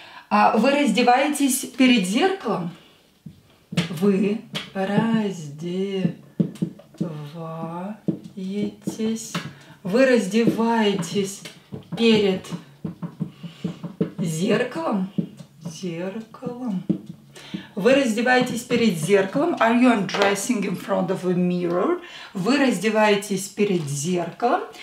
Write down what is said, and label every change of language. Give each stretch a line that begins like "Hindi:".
Russian: Вы раздеваетесь перед зеркалом. Вы раздеваетесь. Вы раздеваетесь перед зеркалом. Зеркалом. Вы раздеваетесь перед зеркалом.
English: Are you undressing in front of a mirror?
Russian: Вы раздеваетесь перед зеркалом.